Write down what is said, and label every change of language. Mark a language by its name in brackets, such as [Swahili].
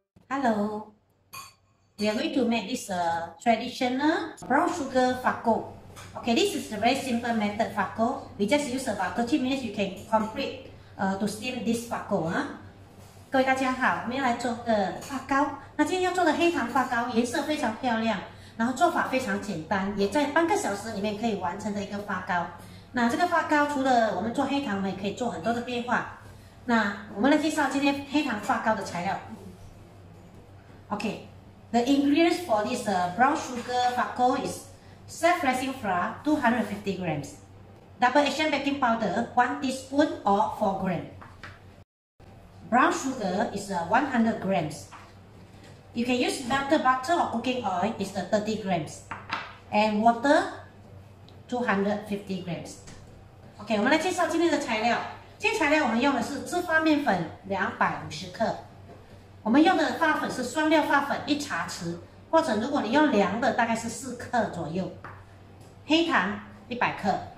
[English] They are going to make this traditional brown sugar fako. Okay, this is a very simple method fako. We just use about 30 minutes, you can complete to steam this fako. [Chinese] 各位大家好，我们要来做个发糕。那今天要做的黑糖发糕颜色非常漂亮，然后做法非常简单，也在半个小时里面可以完成的一个发糕。那这个发糕除了我们做黑糖，我们也可以做很多的变化。那我们来介绍今天黑糖发糕的材料。 [English] Okay, the ingredients for this brown sugar fako is self-rising flour 250 grams, double Asian baking powder 1 teaspoon or 4 grams. Brown sugar is 100 grams. You can use melted butter or cooking oil is 30 grams. And water 250 grams. [Chinese] Okay, 我们来介绍今天的材料。今天材料我们用的是芝麻面粉 250克。我们用的发粉是双料发粉，一茶匙，或者如果你用凉的，大概是4克左右。黑糖100克，